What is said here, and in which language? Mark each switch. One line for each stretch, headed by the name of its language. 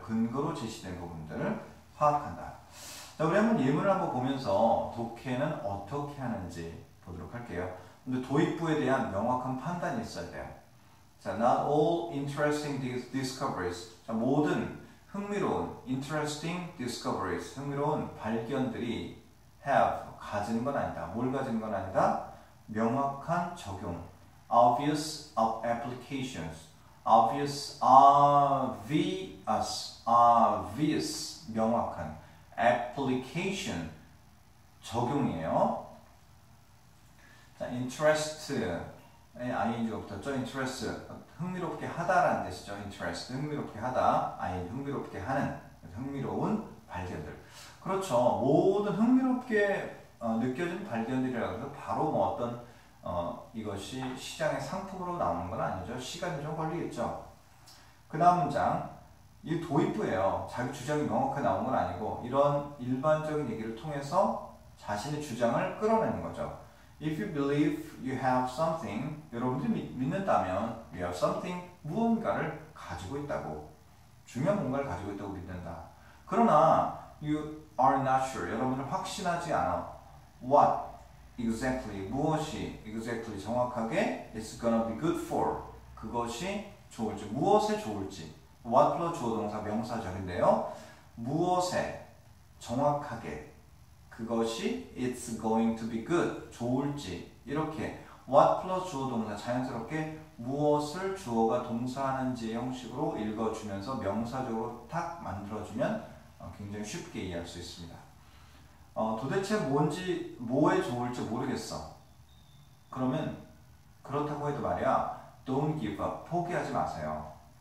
Korean: 근거로 제시된 부분들을 파악한다. 자, 우리 한번 예문을 한번 보면서 독해는 어떻게 하는지 보도록 할게요. 근데 도입부에 대한 명확한 판단이 있어야 돼요. 자,
English: not all interesting discoveries.
Korean: 자, 모든 흥미로운
English: interesting discoveries,
Korean: 흥미로운 발견들이 have 가진 건 아니다. 뭘 가진 건 아니다. 명확한 적용.
English: Obvious of applications. Obvious, obvious, obvious.
Korean: 명확한. Application. 적용이에요. 자, interest의 ing가 붙었죠.
English: Interest.
Korean: 흥미롭게 하다라는 뜻이죠. Interest. 흥미롭게 하다. ing. 흥미롭게 하는. 흥미로운 발견들. 그렇죠. 모든 흥미롭게 느껴진 발견들이라고 해서 바로 뭐 어떤 이것이 시장의 상품으로 나오는 건 아니죠. 시간이 좀 걸리겠죠. 그 다음 문장, 이게 도입부예요. 자기 주장이 명확하게 나온 건 아니고 이런 일반적인 얘기를 통해서 자신의 주장을 끌어내는 거죠.
English: If you believe you have something,
Korean: 여러분들이 믿는다면
English: you have something,
Korean: 무언가를 가지고 있다고. 중요한 뭔가를 가지고 있다고 믿는다. 그러나
English: you are not sure,
Korean: 여러분은 확신하지 않아.
English: What exactly,
Korean: 무엇이
English: exactly
Korean: 정확하게
English: is gonna be good for,
Korean: 그것이 좋을지, 무엇에 좋을지. What 플러스 주어 동사 명사절인데요. 무엇에 정확하게 그것이
English: it's going to be good,
Korean: 좋을지. 이렇게 what 플러스 주어 동사 자연스럽게 무엇을 주어가 동사하는지의 형식으로 읽어주면서 명사적으로 탁 만들어주면 굉장히 쉽게 이해할 수 있습니다. 도대체 뭔지, 뭐에 좋을지 모르겠어. 그러면 그렇다고 해도 말이야,
English: don't give up,
Korean: 포기하지 마세요.